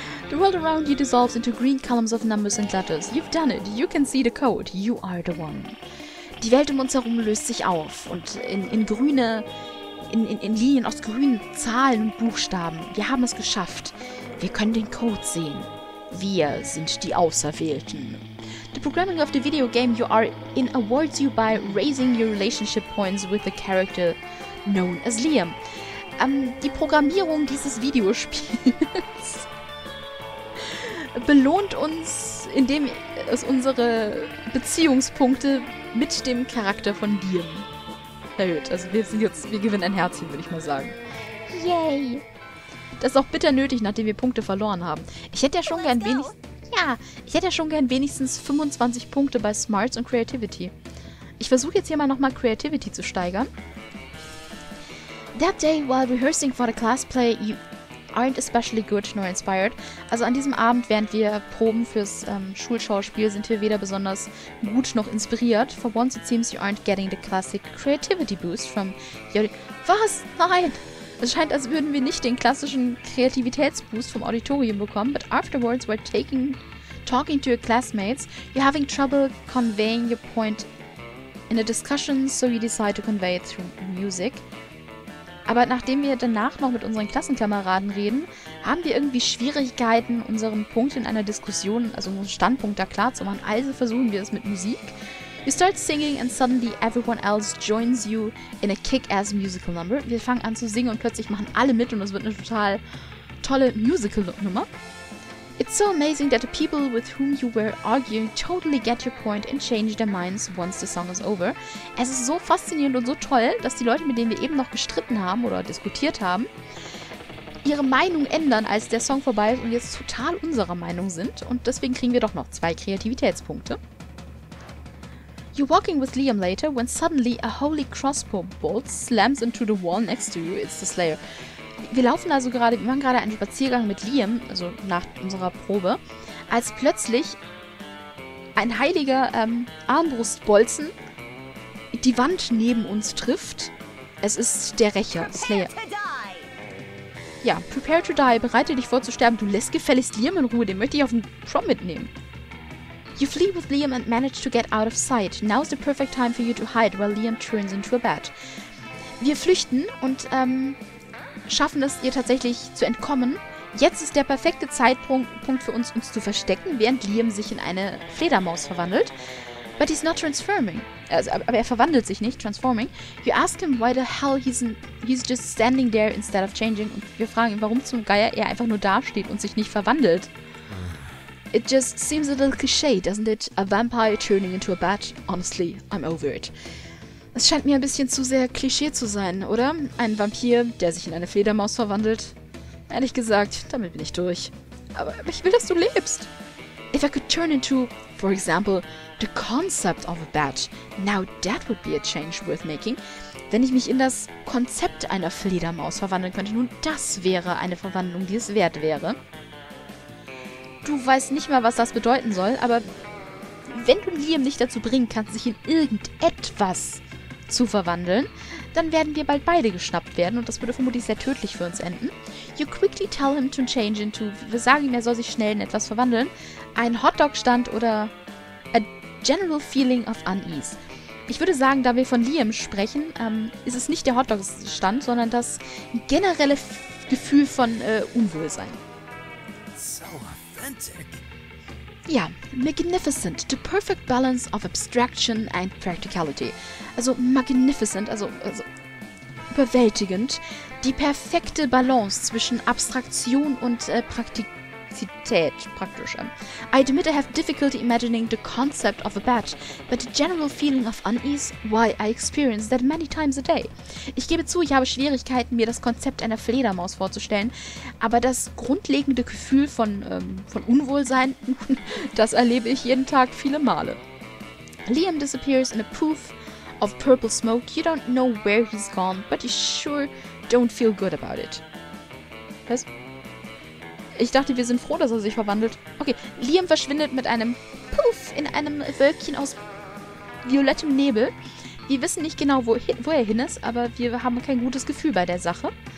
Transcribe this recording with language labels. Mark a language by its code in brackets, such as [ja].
[en] The world around you dissolves into green columns of numbers and letters. You've done it. You can see the code. You are the one. [de] Die Welt um uns herum löst sich auf und in Linien aus grünen Zahlen und Buchstaben. Wir haben es geschafft. Wir können den Code sehen. Wir sind die Auserwählten. [en] The programming of the video game you are in awards you by raising your relationship points with the character known as Liam. [de] Die Programmierung dieses Videospiels belohnt uns, indem es unsere Beziehungspunkte mit dem Charakter von Liam. Also wir gewinnen ein Herzchen, würde ich mal sagen. Yay! Das ist auch bitter nötig, nachdem wir Punkte verloren haben. Ich hätte ja schon gern wenigstens... Ja, ich hätte ja schon gern wenigstens 25 Punkte bei Smarts und Creativity. Ich versuche jetzt hier mal nochmal Creativity zu steigern. [en] That day, while rehearsing for the class play, you aren't especially good nor inspired. [de] Also an diesem Abend, während wir proben fürs Schulschauspiel, sind wir weder besonders gut noch inspiriert. [en] For once it seems you aren't getting the classic creativity boost from your... [de] Was? Nein! Es scheint, als würden wir nicht den klassischen Kreativitätsboost vom Auditorium bekommen. [en] But afterwards, while talking to your classmates, you're having trouble conveying your point in a discussion, so you decide to convey it through music. [de] Aber nachdem wir danach noch mit unseren Klassenkameraden reden, haben wir irgendwie Schwierigkeiten, unseren Punkt in einer Diskussion, also unseren Standpunkt da klar zu machen. Also versuchen wir es mit Musik. [en] You start singing and suddenly everyone else joins you in a kick-ass musical number. [de] Wir fangen an zu singen und plötzlich machen alle mit und es wird eine total tolle Musical-Nummer. [en] It's so amazing that the people with whom you were arguing totally get your point and change their minds once the song is over. [de] Es ist so faszinierend und so toll, dass die Leute, mit denen wir eben noch gestritten haben oder diskutiert haben, ihre Meinung ändern, als der Song vorbei ist und jetzt total unserer Meinung sind. Und deswegen kriegen wir doch noch 2 Kreativitätspunkte. [en] You're walking with Liam later, when suddenly a holy crossbow bolt slams into the wall next to you. It's the Slayer. [de] Wir laufen also gerade, wir machen gerade einen Spaziergang mit Liam, also nach unserer Probe, als plötzlich ein heiliger Armbrustbolzen die Wand neben uns trifft. Es ist der Rächer, Slayer. Ja, [en] prepare to die, [de] bereite dich vor zu sterben. Du lässt gefälligst Liam in Ruhe, den möchte ich auf den Prom mitnehmen. [en] You flee with Liam and manage to get out of sight. Now is the perfect time for you to hide while Liam turns into a bat. [de] Wir flüchten und schaffen es, ihr tatsächlich zu entkommen. Jetzt ist der perfekte Zeitpunkt für uns zu verstecken, während Liam sich in eine Fledermaus verwandelt. [en] But he's not transforming. [de] Also, aber er verwandelt sich nicht, transforming. [en] You ask him why the hell he's just standing there instead of changing. [de] Und wir fragen ihn, warum zum Geier er einfach nur dasteht und sich nicht verwandelt. [en] It just seems a little cliché, doesn't it? A vampire turning into a bat. Honestly, I'm over it. [de] Es scheint mir ein bisschen zu sehr Klischee zu sein, oder? Ein Vampir, der sich in eine Fledermaus verwandelt. Ehrlich gesagt, damit bin ich durch. Aber ich will, dass du lebst. [en] If I could turn into, for example, the concept of a bat, now that would be a change worth making. [de] Wenn ich mich in das Konzept einer Fledermaus verwandeln könnte, nun das wäre eine Verwandlung, die es wert wäre. Du weißt nicht mal, was das bedeuten soll, aber wenn du Liam nicht dazu bringen kannst, sich in irgendetwas zu verwandeln, dann werden wir bald beide geschnappt werden und das würde vermutlich sehr tödlich für uns enden. [en] You quickly tell him to change into, [de] wir sagen ihm, er soll sich schnell in etwas verwandeln, ein Hotdog-Stand oder [en] a general feeling of unease. [de] Ich würde sagen, da wir von Liam sprechen, ist es nicht der Hotdog-Stand, sondern das generelle Gefühl von Unwohlsein. [en] Ja, magnificent, the perfect balance of abstraction and practicality. [de] Also magnificent, also überwältigend, die perfekte Balance zwischen Abstraktion und Praktizität, praktisch. [en] I admit I have difficulty imagining the concept of a bat, but the general feeling of unease, why I experience that many times a day. [de] Ich gebe zu, ich habe Schwierigkeiten, mir das Konzept einer Fledermaus vorzustellen, aber das grundlegende Gefühl von Unwohlsein, das erlebe ich jeden Tag viele Male. [en] Liam disappears in a poof of purple smoke. You don't know where he's gone, but you sure don't feel good about it. [de] Was? Ich dachte, wir sind froh, dass er sich verwandelt. Okay, Liam verschwindet mit einem Puff in einem Wölkchen aus violettem Nebel. Wir wissen nicht genau, wo er hin ist, aber wir haben kein gutes Gefühl bei der Sache.